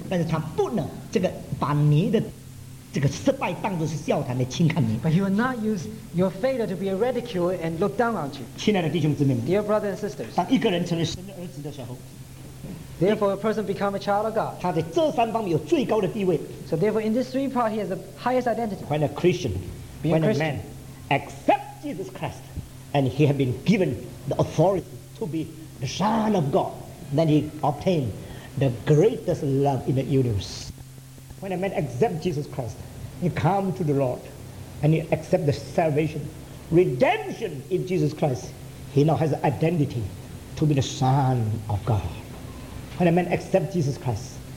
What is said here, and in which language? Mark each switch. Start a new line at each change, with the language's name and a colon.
Chinese: 但是他不能这个把你的这个失败当作是笑谈来轻看你。
English: But he will not use your failure to be a ridicule and look down on you.
Chinese: 亲爱的弟兄姊妹们
English: ，Dear brothers and sisters，
Chinese: 当一个人成为神的儿子的时候。
English: Therefore, a person become a child of God.
Chinese: 他在这三方面有最高的地位。
English: So therefore, in these three parts, he has the highest identity. When a Christian, when a man, accept Jesus Christ, and he has been given the authority to be the Son of God, then he obtained the greatest love in the universe. When a man accept Jesus Christ, he come to the Lord, and he accept the salvation, redemption in Jesus Christ, he now has the identity to be the Son of God. When a man accept Jesus Christ,